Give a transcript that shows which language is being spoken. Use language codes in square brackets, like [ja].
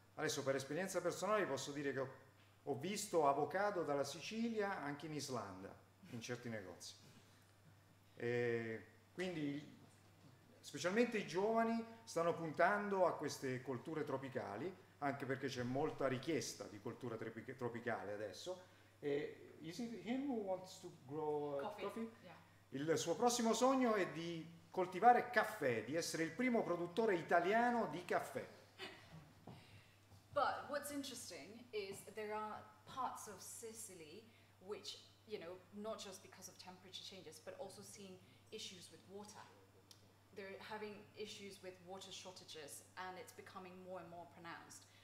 [it] Adesso per esperienza personale posso dire che ho visto avocado dalla Sicilia anche in Islanda, in certi negozi. E quindi specialmente i giovani stanno puntando a queste colture tropicali, anche perché c'è molta richiesta di cultura tropicale adesso. [en] E is it him who wants to grow coffee? Yeah. [it] Il suo prossimo sogno è di coltivare caffè, di essere il primo produttore italiano di caffè. [en] But what's interesting is there are parts of Sicily which, you know, not just because of temperature changes, but also seeing issues with water. They're having issues with water shortages and it's becoming more and more pronounced.